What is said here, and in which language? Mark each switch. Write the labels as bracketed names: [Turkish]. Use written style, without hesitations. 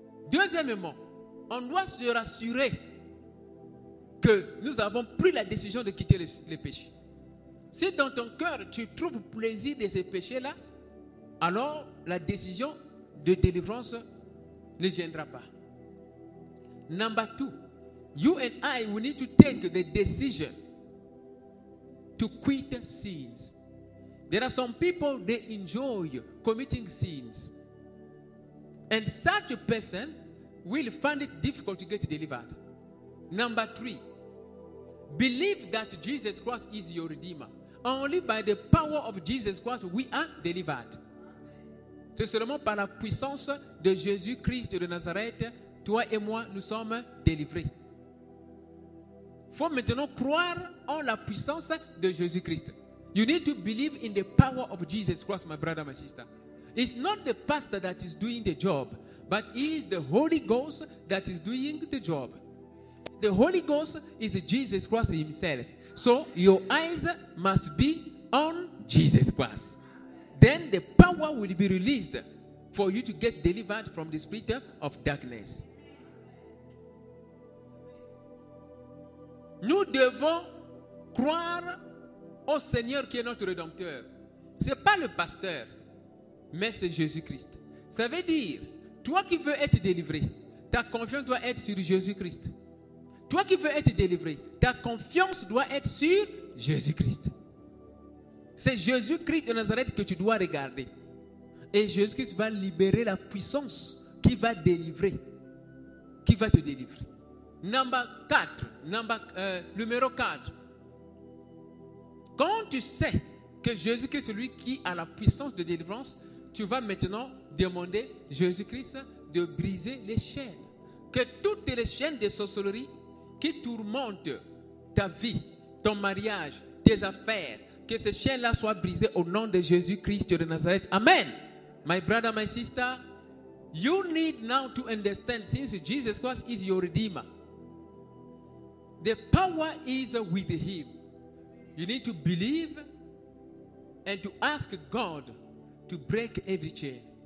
[French] Deuxièmement, on doit se rassurer que nous avons pris la décision de quitter les péchés. Si dans ton cœur, tu trouves plaisir de ces péchés-là, alors la décision de délivrance ne viendra pas. [English] Number two, you and I, we need to take the decision to quit sins. There are some people, they enjoy committing sins. And such a person will find it difficult to get delivered. Number three, believe that Jesus Christ is your Redeemer. Only by the power of Jesus Christ we are delivered. [French] C'est seulement par la puissance de Jésus-Christ de Nazareth, toi et moi, nous sommes délivrés. Il faut maintenant croire en la puissance de Jésus-Christ. [English] You need to believe in the power of Jesus Christ, my brother, my sister. It's not the pastor that is doing the job, but it is the Holy Ghost that is doing the job. The Holy Ghost is Jesus Christ himself. So your eyes must be on Jesus Christ. Then the power will be released for you to get delivered from the spirit of darkness. [French] Nous devons croire au Seigneur qui est notre Rédempteur. Ce n'est pas le pasteur, mais c'est Jésus-Christ. Ça veut dire, toi qui veux être délivré, ta confiance doit être sur Jésus-Christ. Toi qui veux être délivré, ta confiance doit être sur Jésus-Christ. C'est Jésus-Christ de Nazareth que tu dois regarder. Et Jésus-Christ va libérer la puissance qui va délivrer, qui va te délivrer. Numéro 4. Quand tu sais que Jésus-Christ est celui qui a la puissance de délivrance, tu vas maintenant demander Jésus-Christ de briser les chaînes. Que toutes les chaînes de sorcellerie qui tourmentent ta vie, ton mariage, tes affaires, que ces chaînes-là soient brisées au nom de Jésus-Christ de Nazareth. Amen. [English] My brother, my sister, you need now to understand, since Jesus Christ is your Redeemer, the power is with him. You need to believe and to ask God to break every chain.